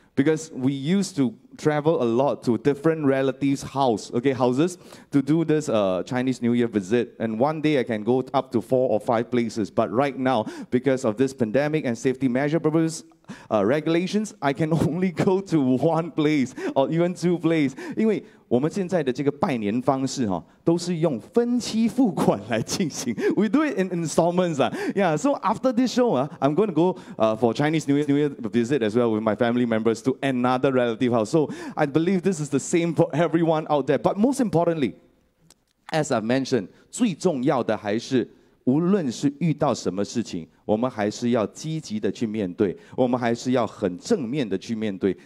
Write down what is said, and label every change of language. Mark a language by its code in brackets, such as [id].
[en] Because we used to travel a lot to different relatives' house, okay, houses, to do this Chinese New Year visit. And one day I can go up to 4 or 5 places. But right now, because of this pandemic and safety measure purpose regulations, I can only go to 1 place or even 2 places. [zh] 因为我们现在的这个拜年方式都是用分期付款来进行. [en] We do it in installments. Yeah, so after this show, I'm going to go for Chinese New Year visit as well with my family members to another relative house. So I believe this is the same for everyone out there. But most importantly, as I mentioned, [zh] 最重要的还是 无论是遇到什么事情，我们还是要积极的去面对，我们还是要很正面的去面对。